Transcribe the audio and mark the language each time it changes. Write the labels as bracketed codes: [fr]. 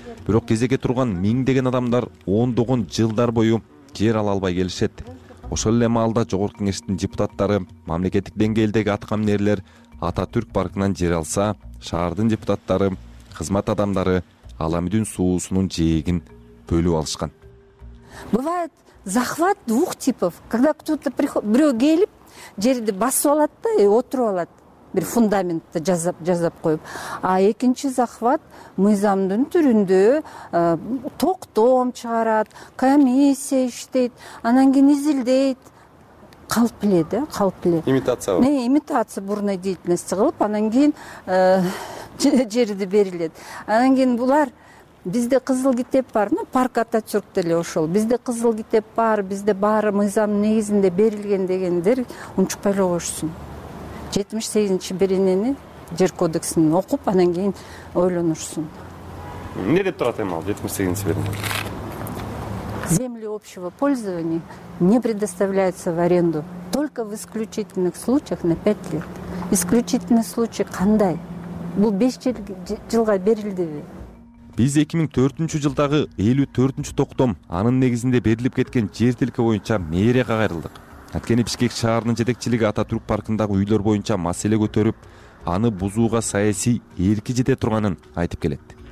[ky] Бирок кезеге турган миңдеген адамдар ондогон жылдар бою жер ала албай келишет. Ошол эле маалда Жогорку Кеңештин депутаттары мамлекеттик деңгээлдеги аткаминерлер Ататүрк паркынан жер алса, шаардын депутаттары, кызмат адамдары Аламүдүн суусунун жээгин бөлүп алышкан. [ru] Бывает захват двух типов. Когда кто-то приходит, [ky] бирөө келип жерди басып алат да, отуруп алат. Бир фундаментти жазап коюп. А экинчи захват мыйзамдын түрүндө токтом чыгарат, комиссия иштейт, анан кийин изилдейт. Калп эле да, калп эле. [ru] Имитация. Имитация бурной деятельности [ky] кылып, анан кийин жерди берилет. Анан кийин булар бизде кызыл китеп бар, парк Ататүрк деле ошол. Бизде кызыл китеп бар, бизде баары мыйзамдын негизинде берилген дегендер унчукпай эле коюшсун. 78-чи беренени жер кодексин окуп, анан кийин ойлонурсун. Эмне деп турат эми ал 78-чи берене? [ru] Земли общего пользования не предоставляются в аренду только в исключительных случаях на 5 лет. Исключительный случай [ky] кандай? Бул 5 жылга берилдиби? Биз 2004 жылдагы 54-чү токтом анын негизинде берилип кеткен жер тилке боюнча мэрияга кайрылдык. Анткени Бишкек шаарынын жетекчилиги Ататүрк паркындагы үйлөр боюнча маселе көтөрүп, аны бузууга саясий эрки жете турганын айтып келет.